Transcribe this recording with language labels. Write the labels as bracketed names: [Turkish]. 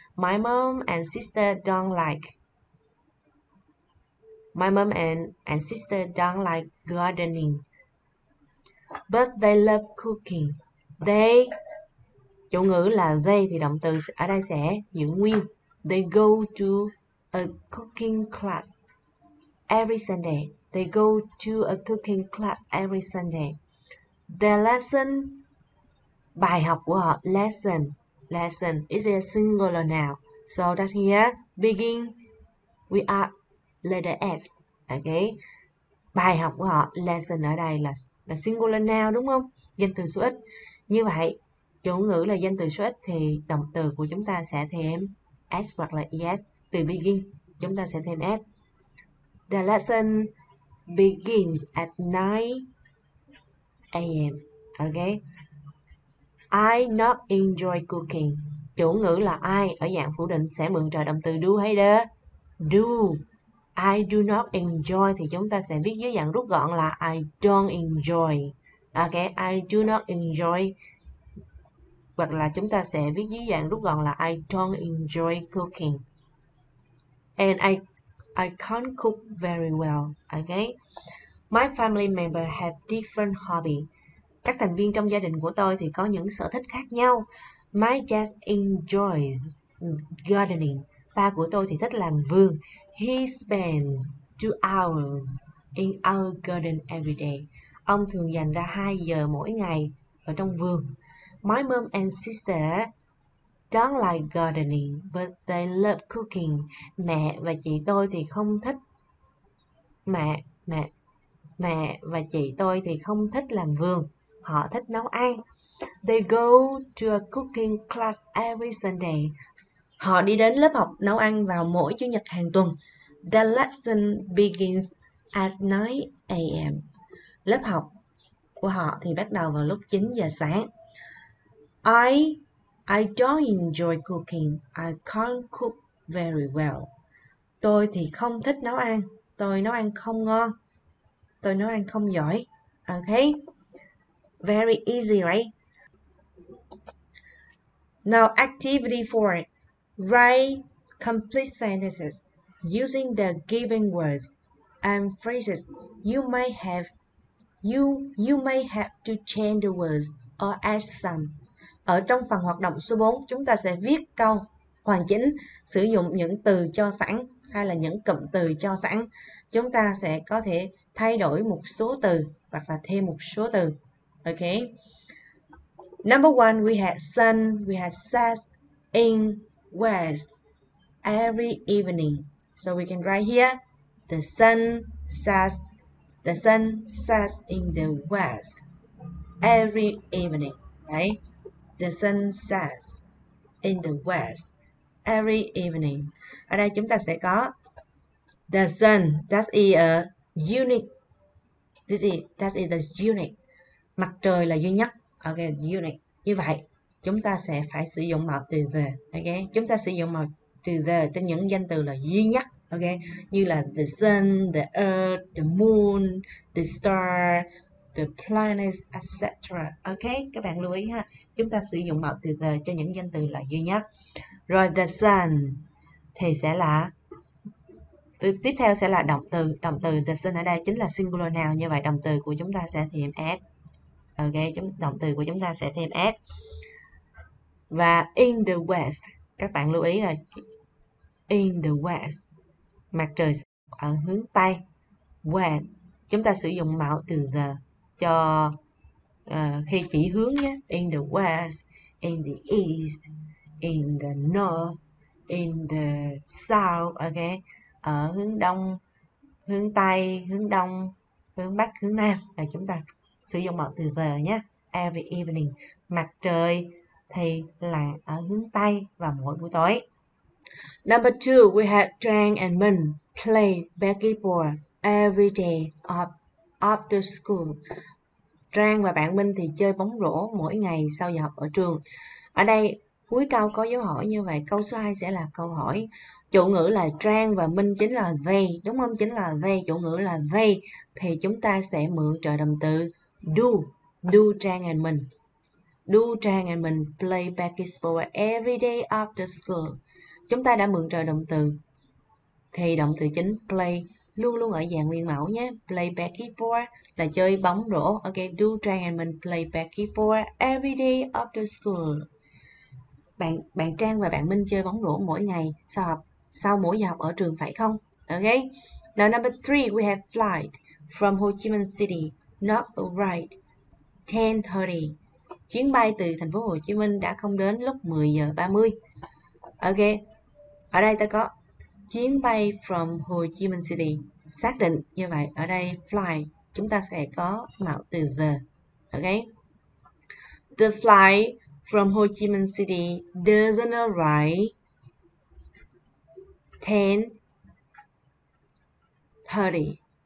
[English] My mom and sister don't like. My mom and sister don't like gardening. But they love cooking. They, [Vietnamese] chủ ngữ là they thì động từ ở đây sẽ giữ nguyên. [English] They go to a cooking class every Sunday. They go to a cooking class every Sunday. Their lesson, [Vietnamese] bài học của họ, [English] lesson is a singular noun. So that here, begin, we are letter S. Okay. [Vietnamese] Bài học của họ, lesson ở đây là singular noun, đúng không? Danh từ số ít. Như vậy, chủ ngữ là danh từ số ít thì động từ của chúng ta sẽ thêm S hoặc là ES. Từ begin, chúng ta sẽ thêm S. [English] The lesson begins at 9 a.m. [Vietnamese] Okay. [English] I not enjoy cooking. [Vietnamese] Chủ ngữ là I ở dạng phủ định sẽ mượn trợ động từ do hay the. Do. [English] I do not enjoy [Vietnamese] thì chúng ta sẽ viết dưới dạng rút gọn là [English] I don't enjoy. [Vietnamese] Okay, [English] I do not enjoy. [Vietnamese] Hoặc là chúng ta sẽ viết dưới dạng rút gọn là [English] I don't enjoy cooking. And I can't cook very well. Okay. My family member have different hobby. [Vietnamese] Các thành viên trong gia đình của tôi thì có những sở thích khác nhau. [English] My dad enjoys gardening. [Vietnamese] Ba của tôi thì thích làm vườn. [English] He spends 2 hours in our garden every day. [Vietnamese] Ông thường dành ra 2 giờ mỗi ngày ở trong vườn. [English] My mom and sister don't like gardening, but they love cooking. [Vietnamese] Mẹ và chị tôi thì không thích. Mẹ và chị tôi thì không thích làm vườn. Họ thích nấu ăn. [English] They go to a cooking class every Sunday. [Vietnamese] Họ đi đến lớp học nấu ăn vào mỗi chủ nhật hàng tuần. [English] The lesson begins at 9 a.m. [Vietnamese] Lớp học của họ thì bắt đầu vào lúc 9 giờ sáng. [English] I don't enjoy cooking. I can't cook very well. [Vietnamese] Tôi thì không thích nấu ăn. Tôi nấu ăn không ngon. Tôi nấu ăn không giỏi. Okay? [English] Very easy, right? Now, activity 4. Write complete sentences using the given words and phrases. You may have to change the words or add some. [Vietnamese] Ở trong phần hoạt động số 4, chúng ta sẽ viết câu hoàn chỉnh, sử dụng những từ cho sẵn hay là những cụm từ cho sẵn. Chúng ta sẽ có thể thay đổi một số từ hoặc là thêm một số từ. [English] Okay. Number 1, we had sun, we had set in west every evening. So we can write here, the sun sets in the west every evening, right? The sun sets. in the west every evening. [Vietnamese] Ở đây chúng ta sẽ có the sun, [English] that is a unique. That is the unique. [Vietnamese] Mặt trời là duy nhất. Okay, unique. Như vậy, chúng ta sẽ phải sử dụng mẫu từ the. Okay, chúng ta sử dụng mẫu từ the cho những danh từ là duy nhất. Okay, như là [English] the sun, the earth, the moon, the star, the planets, [Vietnamese] etc. Okay, các bạn lưu ý ha. Chúng ta sử dụng mẫu từ the cho những danh từ là duy nhất. Rồi the sun thì sẽ là từ tiếp theo sẽ là động từ. Động từ the sun ở đây chính là singular noun. Như vậy động từ của chúng ta sẽ thêm s. Ok, động từ của chúng ta sẽ thêm s. Và [English] in the west, [Vietnamese] các bạn lưu ý là in the west, mặt trời ở hướng tây. When, chúng ta sử dụng mẫu từ the cho khi chỉ hướng nhé. [English] In the west, in the east, in the north, in the south. [Vietnamese] Ok, ở hướng đông, hướng tây, hướng đông, hướng bắc, hướng nam. Và chúng ta sử dụng mẫu từ the nhé. [English] Every evening, [Vietnamese] mặt trời thì là ở hướng tây vào mỗi buổi tối. [English] Number two, we have Trang and Minh play basketball every day after school. [Vietnamese] Trang và bạn Minh thì chơi bóng rổ mỗi ngày sau giờ học ở trường. Ở đây cuối câu có dấu hỏi như vậy. Câu số 2 sẽ là câu hỏi. Chủ ngữ là Trang và Minh, chính là they, đúng không? Chính là they, chủ ngữ là they. Thì chúng ta sẽ mượn trợ động từ do, [English] do Trang and Minh. Do Trang and Minh play basketball every day after school. [Vietnamese] Chúng ta đã mượn trợ động từ, thì động từ chính play luôn luôn ở dạng nguyên mẫu nhé. [English] Play basketball [Vietnamese] là chơi bóng rổ. [English] Ok, do Trang and Minh play basketball every day after school. [Vietnamese] Bạn Trang và bạn Minh chơi bóng rổ mỗi ngày sau mỗi giờ học ở trường phải không? Ok. [English] Now number 3, we have flight from Ho Chi Minh City, not arrived 10:30. [Vietnamese] Chuyến bay từ thành phố Hồ Chí Minh đã không đến lúc 10:30. Ok. Ở đây ta có chuyến bay [English] from Ho Chi Minh City. [Vietnamese] Xác định như vậy. Ở đây flight chúng ta sẽ có mẫu từ the. [English] Ok. The flight from Ho Chi Minh City doesn't arrive 10:30.